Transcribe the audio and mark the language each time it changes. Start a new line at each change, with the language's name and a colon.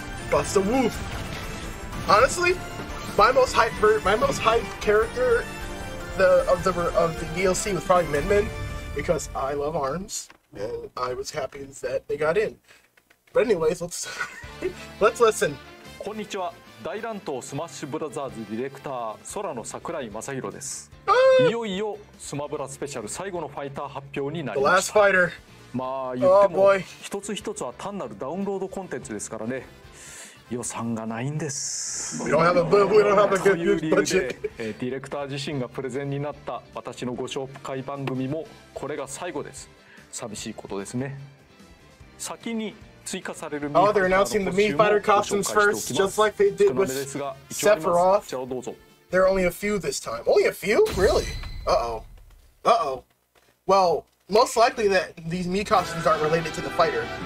English: Busta Woof. Honestly, my most hyped character of the DLC was probably Min Min, because I love arms and I was happy that they got in. But anyways, let's let's listen.
Japanese: Konnichiwa. 大乱闘スマッシュブラザーズディレクター空の桜井正宏です。いよいよスマブラスペシャル最後のファイター発表になりました。
English: The last fighter.
Japanese: まあ言っても、一つ一つは単なるダウンロードコンテンツですからね。予算がないんです。という理由で、ディレクター自身がプレゼンになった私のご紹介番組もこれが最後です。寂しいことですね。先に追加されるミーファイターの
English: Oh, they're announcing the Mii Fighter costumes first, just like they did with Sephiroth. There are only a few this time. Only a few? Really? Uh-oh. Well, most likely that these Mii costumes aren't related to the fighter.